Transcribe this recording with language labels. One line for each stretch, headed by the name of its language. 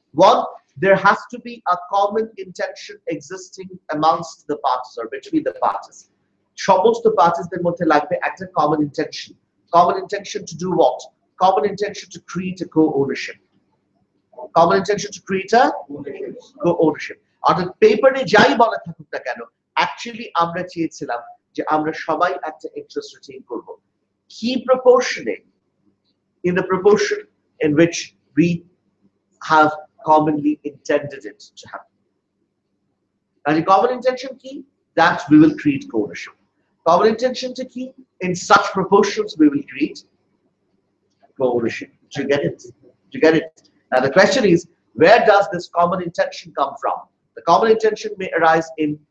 English: One, there has to be a common intention existing amongst the parties or between the parties.
Bangla: সমস্ত পার্টিসদের মধ্যে লাগবে একটা common intention.
English: Common intention to do what? Common intention to create a co ownership, common intention to create a co ownership.
Bangla: অর্থাৎ পেপারে যাই বলা থাকুক না কেন, অ্যাকচুয়ালি আমরা চেয়েছিলাম যে আমরা সবাই একটা ইন্টারেস্ট রিটেইন করব, কি প্রপোর্শনে,
English: In the proportion in which we have commonly intended it to happen.
Bangla: মানে কমন ইন্টেনশন কি?
English: That we will create co-ownership. Common intention to keep in such proportions we will create co-ownership. Do you get it? Do you get it? Now the question is, where does this common intention come from? The common intention may arise in